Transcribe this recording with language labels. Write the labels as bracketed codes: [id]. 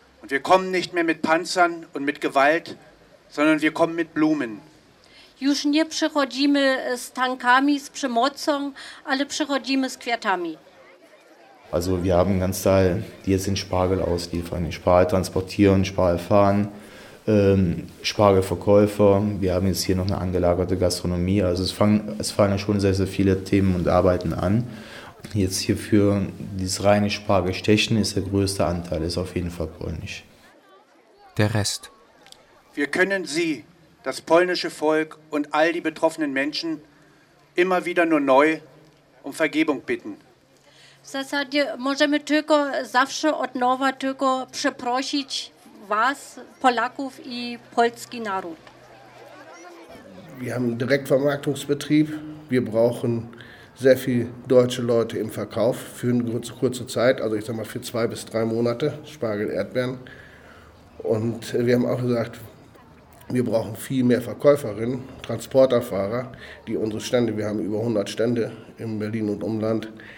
[de] Und wir kommen nicht mehr mit Panzern und mit Gewalt, sondern wir kommen mit Blumen. [pl] Już nie przychodzimy z tankami, z przemocą, ale przychodzimy z kwiatami. [de] Also wir haben ganz Teil, die jetzt den Spargel ausliefern, den Spargel transportieren, Spargel fahren, Spargelverkäufer. Wir haben jetzt hier noch eine angelagerte Gastronomie. Also es fallen ja schon sehr, sehr viele Themen und Arbeiten an. Jetzt hier für dieses reine Spargelstechen ist der größte Anteil, ist auf jeden Fall polnisch. Der Rest. Wir können Sie das polnische Volk und all die betroffenen Menschen immer wieder nur neu um Vergebung bitten. [pl] W zasadzie możemy tylko zawsze od nowa tylko przeprosić was, Polaków i polski naród. [de] Wir haben einen Direktvermarktungsbetrieb. Wir brauchen sehr viel deutsche Leute im Verkauf für eine kurze Zeit, also ich sag mal für 2 bis 3 Monate, Spargel, Erdbeeren. Und wir haben auch gesagt, wir brauchen viel mehr Verkäuferinnen, Transporterfahrer, die unsere Stände, wir haben über 100 Stände in Berlin und Umland.